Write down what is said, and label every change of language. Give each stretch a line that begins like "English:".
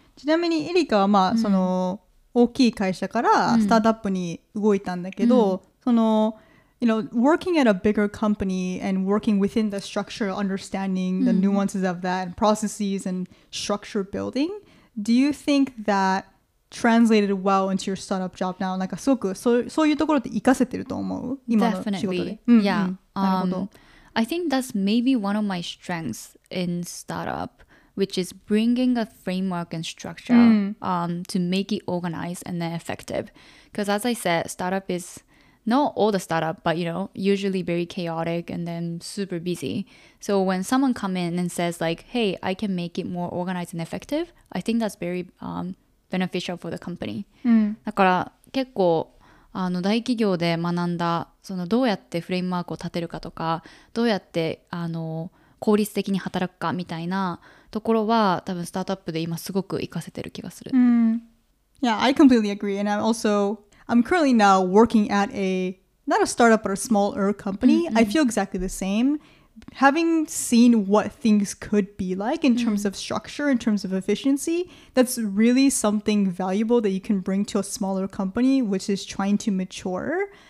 Japanese: ちなみにエリカは、まあその大きい会社からスタートアップに動いたんだけど、その
English: you know, working at a bigger company and working within the structure, understanding the nuances of that, processes and structure building, do you think that translated well into your startup job now?
Japanese: なんかすごくそういうところって活かせてると思う今の仕事で。
English: Definitely. Yeah. I think that's maybe one of my strengths in startup, which is bringing a framework and structure to make it organized and then effective. Because as I said, startup is not all the startup, but you know, usually very chaotic and then super busy. So when someone come in and says like, hey, I can make it more organized and effective, I think that's very beneficial for the company.
Japanese: だから結構大企業で学んだそのどうやってフレームワークを立てるかとか、どうやって効率的に働くかみたいなところは多分スタートアップで今すごく活かせてる気がする。
English: Yeah, I completely agree. And I'm currently now working at a, not a startup, but a smaller company. Mm-hmm. I feel exactly the same. Having seen what things could be like in terms of structure, in terms of efficiency, that's really something valuable that you can bring to a smaller company, which is trying to mature.